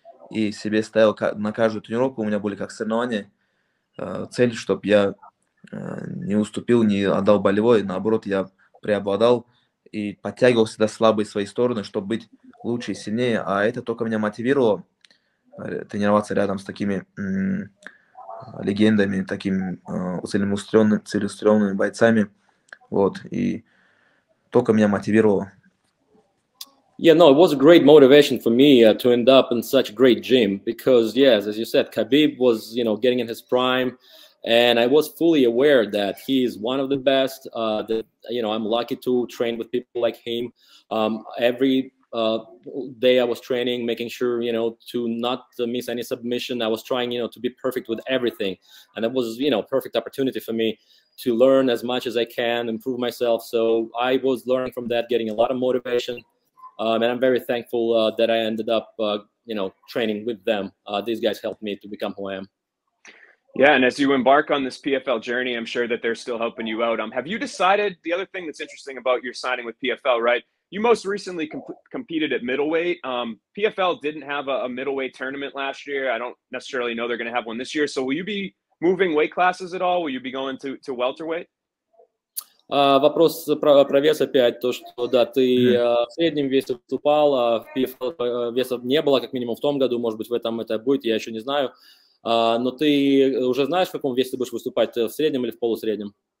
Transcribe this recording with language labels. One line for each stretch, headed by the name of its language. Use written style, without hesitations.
Russian: И себе ставил на каждую тренировку, у меня были как соревнования, цель, чтобы я не уступил, не отдал болевой, наоборот, я преобладал и подтягивал всегда слабые свои стороны, чтобы быть лучше и сильнее. А это только меня мотивировало тренироваться рядом с такими легендами, такими целеустремленными бойцами. Вот, и только меня мотивировало.
English: Yeah, no, it was a great motivation for me to end up in such a great gym because, yes, as you said, Khabib was, you know, getting in his prime, and I was fully aware that he is one of the best. That, you know, I'm lucky to train with people like him. Every day I was training, making sure, you know, to not miss any submission. I was trying, you know, to be perfect with everything, and it was, you know, perfect opportunity for me to learn as much as I can, improve myself. So I was learning from that, getting a lot of motivation. And I'm very thankful that I ended up, you know, training with them. These guys helped me to become who I am. Yeah, and as you embark on this PFL journey, I'm sure that they're still helping you out. Have you decided, the other thing that's interesting about your signing with PFL, right? You most recently competed at middleweight. PFL didn't have a middleweight tournament last year. I don't necessarily know they're going to have one this year. So will you be moving weight classes at all? Will you be going to welterweight?
Russian: Вопрос про вес опять, то, что да, ты в среднем весе выступал, а в PFL весов не было, как минимум в том году, может быть, в этом это будет, я еще не знаю. Но ты уже знаешь, в каком весе ты будешь выступать, в среднем или в полусреднем?